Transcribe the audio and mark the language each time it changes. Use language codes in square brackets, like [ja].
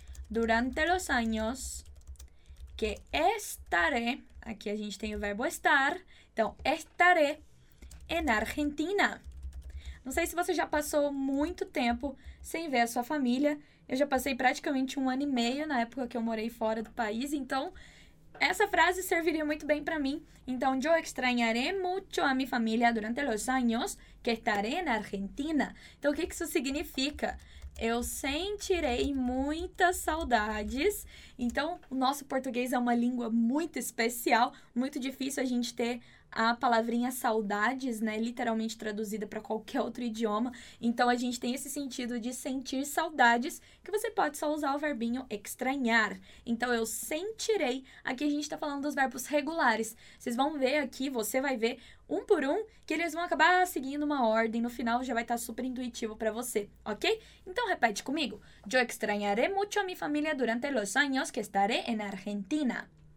[es] Durante los años que estaré, [pt] aqui a gente tem o verbo estar, então [es] estaré en Argentina. [pt] Não sei se você já passou muito tempo sem ver a sua família, eu já passei praticamente um ano e meio na época que eu morei fora do país, então essa frase serviria muito bem para mim. [es] Então, yo extrañaré mucho a mi familia durante los años que estaré en Argentina. [pt] Então, o que isso significa? Eu sentirei muitas saudades. Então, o nosso português é uma língua muito especial, muito difícil a gente ter a palavrinha saudades, né, literalmente traduzida para qualquer outro idioma. Então, a gente tem esse sentido de sentir saudades, que você pode só usar o verbinho extrañar. Então, eu sentirei. Aqui a gente está falando dos verbos regulares. Vocês vão ver aqui, você vai ver, um por um, que eles vão acabar seguindo uma ordem. No final, já vai estar super intuitivo para você, ok? Então, repete comigo. [es] Yo extrañaré mucho a mi familia durante los años que estaré en Argentina.